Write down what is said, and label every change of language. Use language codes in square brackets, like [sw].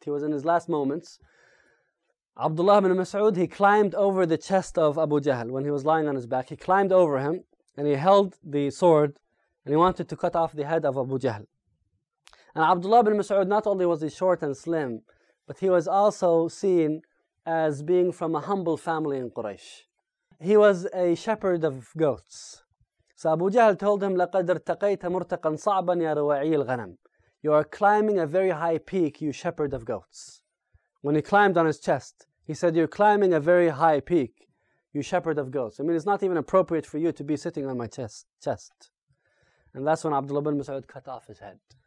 [en] He was in his last moments. Abdullah ibn Mas'ud, he climbed over the chest of Abu Jahl when he was lying on his back. He climbed over him and he held the sword and he wanted to cut off the head of Abu Jahl. And Abdullah ibn Mas'ud, not only was he short and slim, but he was also seen as being from a humble family in Quraysh. He was a shepherd of goats. So Abu Jahl told him, [ar] لَقَدْ ارْتَقَيْتَ مُرْتَقًا صَعْبًا يَا رُوَعِيِ الْغَنَمِ. [en] You are climbing a very high peak, you shepherd of goats. When he climbed on his chest, he said, you're climbing a very high peak, you shepherd of goats. I mean, it's not even appropriate for you to be sitting on my chest. And that's when Abdullah ibn Mas'ud cut off his head.